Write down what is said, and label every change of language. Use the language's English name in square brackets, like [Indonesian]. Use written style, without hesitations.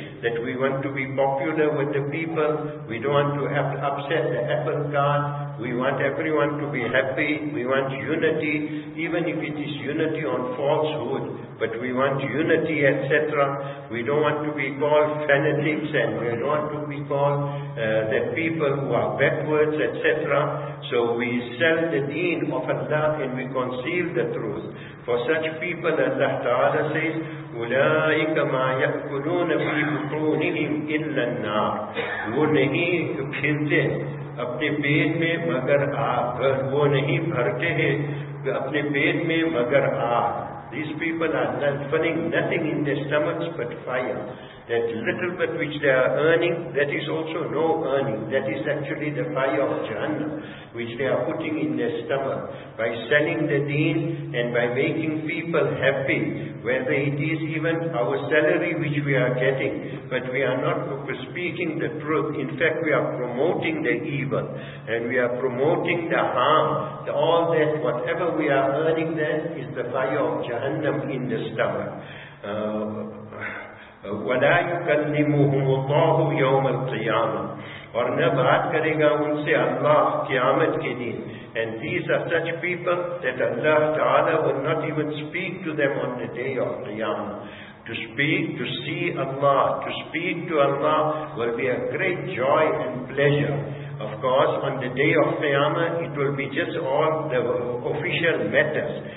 [English] That we want to be popular with the people, we don't want to have to upset the apple cart, we want everyone to be happy, we want unity, even if it is unity on falsehood, but we want unity, etc. We don't want to be called fanatics, and we don't want to be called the people who are backwards, etc. So we sell the deen of Allah and we conceal the truth. For such people, Allah Ta'ala says, [Arabic] أُولَٰئِكَ مَا يَأْكُلُونَ فِي بُطُونِهِمْ إِلَّا النَّارِ [Urdu] وہ نہیں پھرتے اپنے پیٹ میں مگر آگ وہ نہیں بھرتے ہیں اپنے پیٹ میں مگر آگ. [English] These people are not filling nothing in their stomachs but fire. That little bit which they are earning, that is also no earning. That is actually the fire of Jahannam, which they are putting in their stomach by selling the deen and by making people happy, whether it is even our salary which we are getting, but we are not speaking the truth. In fact, we are promoting the evil and we are promoting the harm. All that, whatever we are earning then, is the fire of Jahannam in the stomach. [Arabic] وَلَا يُكَلِّمُهُمُ اللَّهُ يَوْمَ الْقِيَامَةِ [Urdu] اور نہ بات کرے گا ان سے اللہ قیامت کے دن. [English] And these are such people that Allah Ta'ala will not even speak to them on the day of Qiyamah. To speak, to see Allah, to speak to Allah will be a great joy and pleasure. Of course, on the day of Qiyamah, it will be just all the official matters.